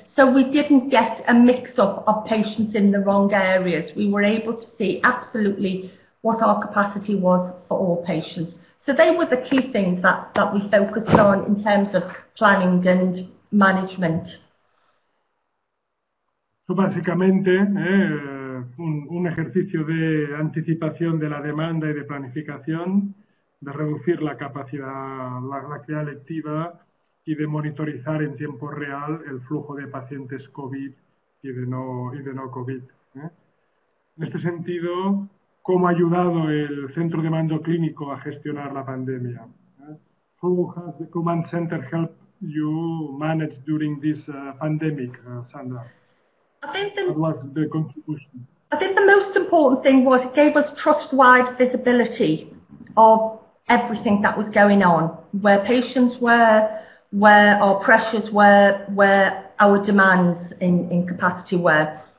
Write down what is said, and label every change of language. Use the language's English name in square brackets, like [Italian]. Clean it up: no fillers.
[English] So we didn't get a mix-up of patients in the wrong areas. We were able to see absolutely what our capacity was for all patients. So they were the key things that we focused on in terms of planning and management. [Spanish] So básicamente, un ejercicio de anticipación de la demanda y de planificación, de reducir la capacidad, la actividad lectiva y de monitorizar en tiempo real el flujo de pacientes COVID y de no COVID. En este sentido, ¿cómo ha ayudado el centro de mando clínico a gestionar la pandemia? [English] How has the command center helped you manage during this pandemic, Sandra? What was the contribution? I think the most important thing was it gave us trust-wide visibility of everything that was going on, where patients were, where our pressures were, where our demands in capacity were.